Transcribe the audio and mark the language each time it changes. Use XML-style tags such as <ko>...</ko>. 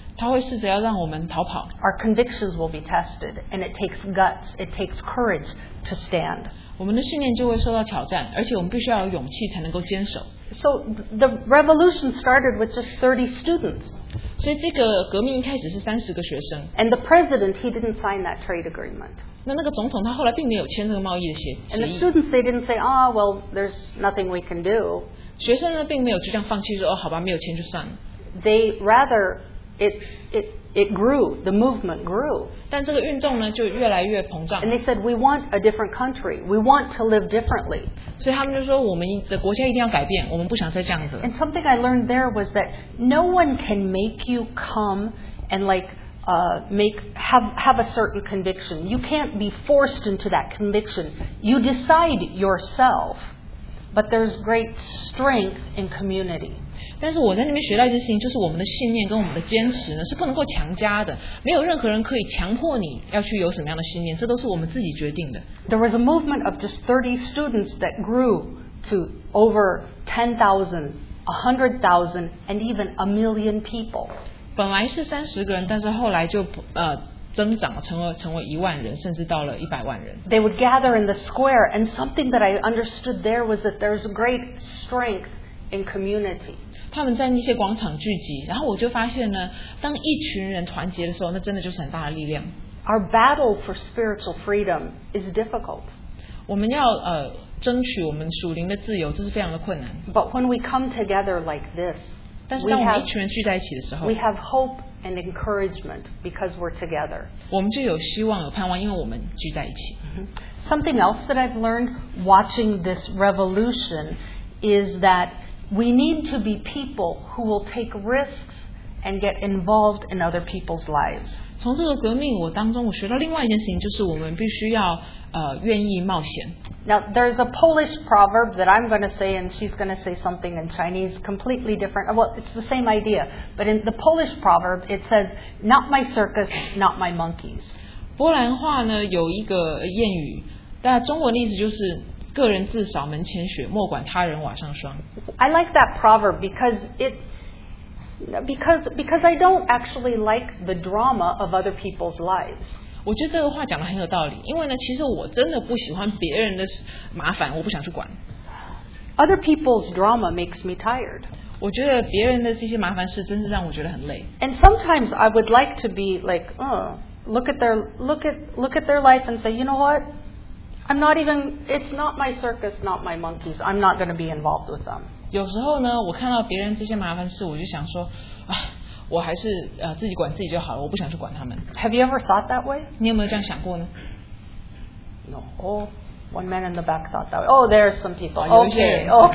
<zh>他会试着要让我们逃跑。</zh> <en>Our convictions will be tested, and it takes guts, it takes courage to stand.</en> <zh>我们的信念就会受到挑战，而且我们必须要有勇气才能够坚守。</zh> <en>So the revolution started with just 30 students.</en> <zh>所以这个革命一开始是30个学生。</zh> <en>And the president, he didn't sign that trade agreement.</en> <zh>那个总统他后来并没有签这个贸易的协议。</zh> <en>And the students, they didn't say, "Ah, well, there's nothing we can do."</en> <zh>学生呢，并没有就这样放弃说，哦，好吧，没有签就算了。</zh> <en>they rather it grew, the movement grew.</en> <zh>但这个运动呢就越来越膨胀。</zh> <en>And they said, we want a different country. We want to live differently.</en> <zh>所以他们就说我们的国家一定要改变，我们不想再这样子。</zh> <en>And something I learned there was that no one can make you come and like,have a certain conviction. You can't be forced into that conviction. You decide yourself. But there's great strength in community.</en> <zh>但是我在那边学到一件事情，就是我们的信念跟我们的坚持呢是不能够强加的，没有任何人可以强迫你要去有什么样的信念，这都是我们自己决定的。</zh> <en>There was a movement of just 30 students that grew to over 10,000, 100,000, and even a million people.</en> <zh>本来是30个人，但是后来就增长成为一万人，甚至到了100万人。</zh> <en>They would gather in the square, and something that I understood there was that there's great strength. In community.</en> <zh>他们在那些广场聚集，然后我就发现呢，当一群人团结的时候，那真的就是很大的力量。</zh> <en>Our battle for spiritual freedom is difficult.</en> <zh>我们要争取我们属灵的自由，这是非常的困难。</zh> <en>But when we come together like this,</en> <zh>但是当我们一群人聚在一起的时候</zh> <en>we have hope and encouragement because we're together.</en> <zh>我们就有希望，有盼望，因为我们聚在一起。</zh> <en>Something else that I've learned watching this revolution is that. We need to be people who will take risks and get involved in other people's lives.</en> <zh>从这个革命我当中，我学到另外一件事情，就是我们必须要愿意冒险。</zh> <en>Now there's a Polish proverb that I'm going to say, and she's going to say something in Chinese, completely different. Well, it's the same idea, but in the Polish proverb, it says, "Not my circus, not my monkeys."</en> <zh>波兰话呢有一个谚语，但中文的意思就是。个人自扫门前雪，莫管他人瓦上霜。</zh> <en>I like that proverb because I don't actually like the drama of other people's lives.</en> <zh>我觉得这个话讲得很有道理，因为呢，其实我真的不喜欢别人的麻烦，我不想去管。</zh> <en>Other people's drama makes me tired.</en> <zh>我觉得别人的这些麻烦事真是让我觉得很累。</zh> <en>And sometimes I would like to be like, look at their life and say, you know what? I'm not even, it's not my circus, not my monkeys. I'm not going to be involved with them.</en> <zh>有时候呢，我看到别人这些麻烦事，我就想说，我还是自己管自己就好了，我不想去管他们。</zh> <en>Have you ever thought that way?</en> <zh>你有没有这样想过呢？</zh> <en>No. Oh, one man in the back thought that way. Oh, there's some people. Okay.</en>